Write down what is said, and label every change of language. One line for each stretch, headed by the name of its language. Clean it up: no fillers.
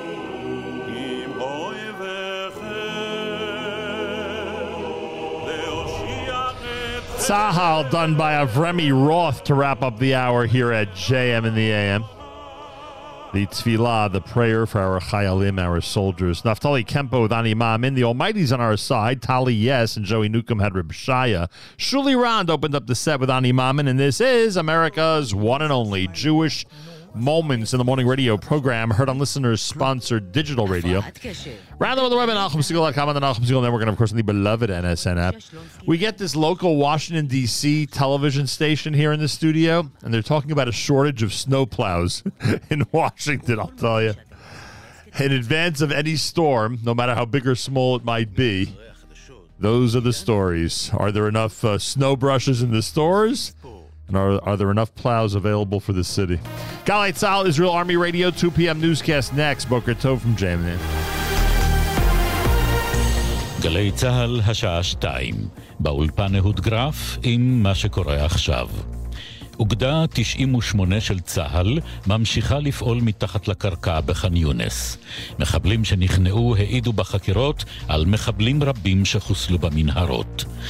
Hebrew: כי עם אויביכם להושיע
English: Tzahal done by Avremi Roth to wrap up the hour here at JM in the AM. The Tfilah, the prayer for our Chayalim, our soldiers. Naftali Kempo with Animam in. The Almighty's on our side. Tali, yes. And Joey Newcomb had Reb Shaya. Shuli Rand opened up the set with Animam in. And this is America's one and only Jewish Moments in the Morning radio program, heard on listeners-sponsored digital radio. Rather on the web at AlchemSigal.com and the Alchem Sigal Network, and of course on the beloved NSN app. We get this local Washington, D.C. television station here in the studio, and they're talking about a shortage of snowplows in Washington, I'll tell you. In advance of any storm, no matter how big or small it might be, those are the stories. Are there enough snow brushes in the stores? And are there enough plows available for the city? Galei Tzahal, Israel Army Radio, 2 p.m. newscast next.
Hebrew: Boker Tov
English: from Jamin.
Hebrew: Galei Tzahal, השעה 2. באולפן אהוד גרף עם מה שקורה עכשיו. אוגדה 98 של צהל ממשיכה לפעול מתחת לקרקע בחאן יונס. מחבלים שנכנעו העידו בחקירות על מחבלים רבים שחוסלו במנהרות.